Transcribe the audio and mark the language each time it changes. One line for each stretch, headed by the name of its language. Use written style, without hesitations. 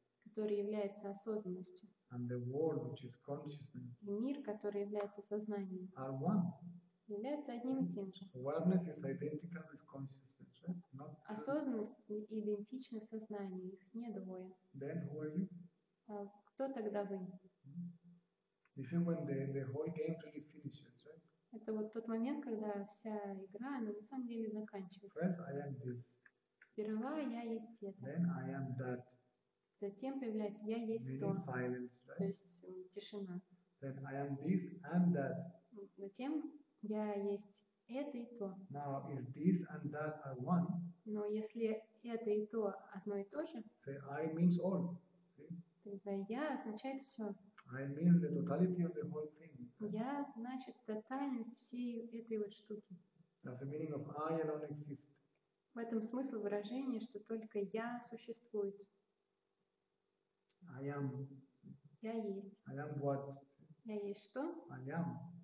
Russian: которая является осознанностью,
English: and the world, which is consciousness,
Russian: и мир, который является сознанием,
English: are one.
Russian: Является одним и тем же.
English: Awareness is identical with consciousness, right? Not
Russian: осознанность идентична сознанию, их не двое.
English: Then who are you?
Russian: Кто тогда вы?
English: You see, when the whole game really finishes, right?
Russian: Это вот тот момент, когда вся игра, она на самом деле заканчивается.
English: First I am this.
Russian: Сперва я есть это.
English: Then I am that.
Russian: Затем появляется я есть то.
English: Silence, right?
Russian: То есть тишина.
English: Then I am this and that.
Russian: Затем я есть это и то.
English: Now, is this and that are one?
Russian: Но если это и то одно и то же,
English: say, I means all. See?
Russian: Тогда я означает все.
English: I means the totality of the whole thing.
Russian: Я значит тотальность всей этой вот штуки.
English: That's the meaning of I alone exist.
Russian: В этом смысл выражения, что только я существует.
English: I am.
Russian: Я есть.
English: I am what?
Russian: Я есть что?
English: I am.